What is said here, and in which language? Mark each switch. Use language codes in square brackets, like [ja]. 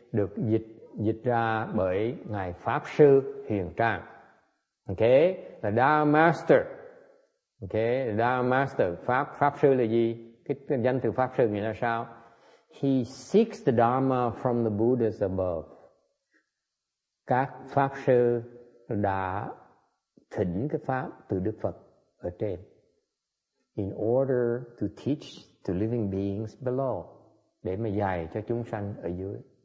[vi] Được dịch ra bởi Ngài Pháp Sư Huyền Trang. Okay, là Dharma Master. Okay, Dharma Master. Pháp Sư là gì? Cái danh từ Pháp Sư nghĩa là sao? [en] He seeks the Dharma from the Buddhas above. [vi] Các Pháp Sư đã thỉnh cái Pháp từ Đức Phật ở trên. [en] In order to teach to living beings below. [vi] Để mà dạy cho chúng sanh ở dưới.